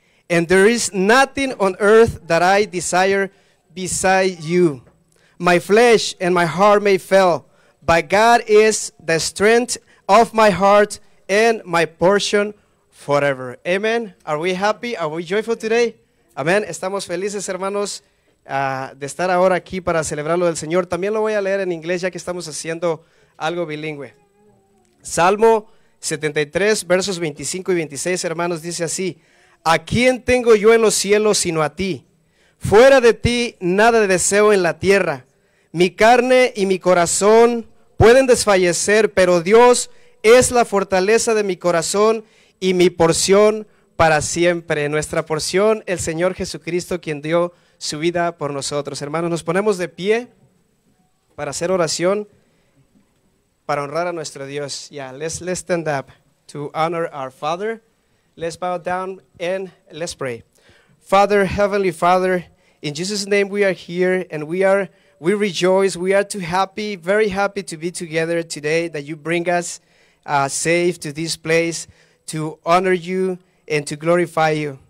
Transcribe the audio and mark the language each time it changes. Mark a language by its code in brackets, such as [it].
[en] And there is nothing on earth that I desire beside you. My flesh and my heart may fail, but God is the strength of my heart and my portion forever. Amen. Are we happy? Are we joyful today? Amen. [es] Estamos felices, hermanos. De estar ahora aquí para celebrarlo del Señor. También lo voy a leer en inglés ya que estamos haciendo algo bilingüe. Salmo 73, versos 25 y 26, hermanos, dice así: ¿A quién tengo yo en los cielos sino a ti? Fuera de ti nada deseo en la tierra. Mi carne y mi corazón pueden desfallecer, pero Dios es la fortaleza de mi corazón y mi porción para siempre. Nuestra porción, el Señor Jesucristo, quien dio su vida por nosotros. Hermanos, nos ponemos de pie para hacer oración, para honrar a nuestro Dios. [en] Yeah, let's stand up to honor our Father. Let's bow down and let's pray. Father, Heavenly Father, in Jesus' name we are here and we rejoice. We are too happy, very happy to be together today that you bring us safe to this place to honor you and to glorify you.